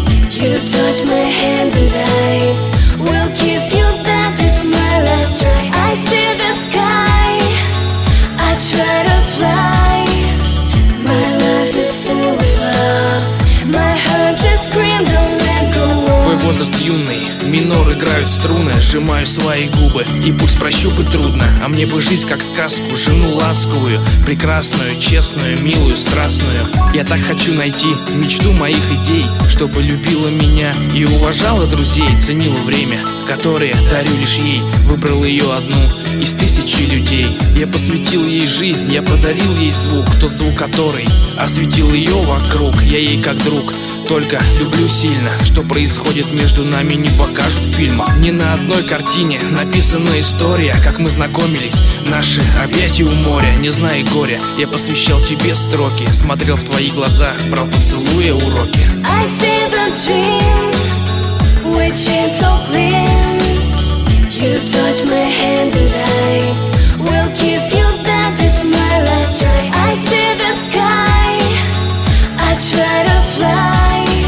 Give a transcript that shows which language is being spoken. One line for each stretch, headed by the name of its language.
English: You touch my hand and I will kiss you, that is my last try. I see the sky, I try to fly. My life is full of love, my heart is green.
Russian: Возраст юный, минор играют струны. Сжимаю свои губы, и пусть прощупать трудно. А мне бы жизнь как сказку, жену ласковую, прекрасную, честную, милую, страстную. Я так хочу найти мечту моих идей, чтобы любила меня и уважала друзей. Ценила время, которое дарю лишь ей. Выбрал ее одну из тысячи людей. Я посвятил ей жизнь, я подарил ей звук. Тот звук, который осветил ее вокруг. Я ей как друг, только люблю сильно. Что происходит между нами, не покажут в фильмах. Ни на одной картине написана история, как мы знакомились, наши объятия у моря. Не зная горя, я посвящал тебе строки. Смотрел в твои глаза, брал поцелуя уроки.
English: I see the dream, which is so clear. You touch my hand and I will kiss you, that is my last try. I see the sky, I try to fly.